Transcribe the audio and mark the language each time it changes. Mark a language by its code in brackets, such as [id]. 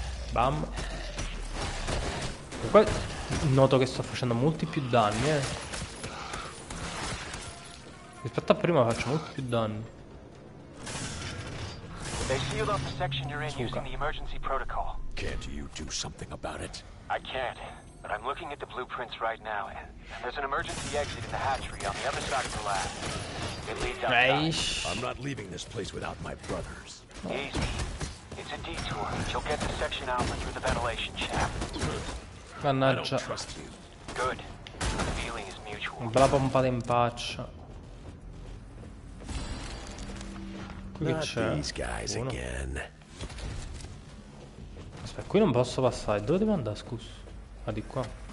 [it] Bam. Comunque noto che sto facendo molti più danni, Rispetto a prima faccio molti più danni. [en] They sealed off the section you're in using the emergency protocol. Can't you do something about it? I can't, but I'm looking at the blueprints right now, and there's an emergency exit in the hatchery on the other side of the lab. It leads outside. I'm not leaving this place without my brothers. Easy. It's a detour. You'll get to Section Alpha through the ventilation shaft. [it] Mannaggia. [en] Good. The feeling is mutual. [it] Bella pompata in faccia. Qui c'è. Buono. Aspetta, qui non posso passare. Dove devo andare, scusa? Ah, di qua.